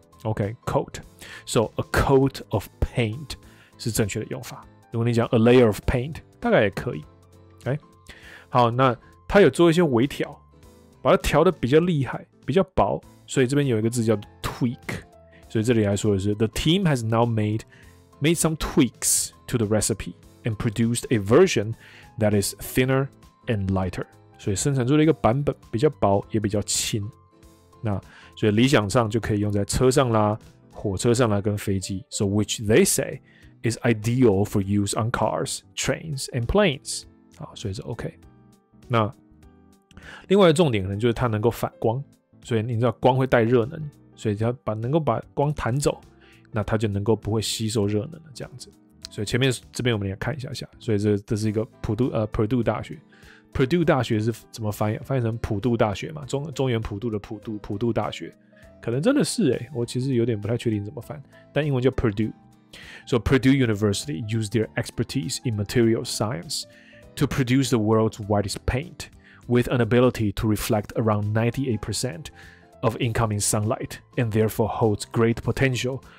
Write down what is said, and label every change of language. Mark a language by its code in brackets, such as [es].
[en] OK， coat， so a coat of paint 是正确的用法。 [zh] 如果你讲 a layer of paint， 大概也可以。 OK， 好，那它有做一些微调，把它调的比较厉害、比较薄，所以这边有一个字叫 tweak。 [en] 所以这里来说的是 the team has now made some tweaks to the recipe and produced a version that is thinner and lighter. [zh] 所以生产出了一个版本，比较薄也比较轻。那所以理想上就可以用在车上啦、火车上啦跟飞机。 [en] So which they say is ideal for use on cars, trains, and planes. [zh] 好，所以是 OK。那另外的重点可能就是它能够反光，所以你知道光会带热能，所以它能够把光弹走。那它就能够不会吸收热能了，这样子。所以前面这边我们也看一下，所以这是一个Purdue 大学。 Purdue 大学是怎么翻译？翻译成普渡大学嘛？中原普渡的普渡，普渡大学，可能真的是哎、欸，我其实有点不太确定怎么翻，但英文叫 Purdue。 [en] So Purdue University used their expertise in material science to produce the world's whitest paint with an ability to reflect around 98% of incoming sunlight and therefore holds great potential.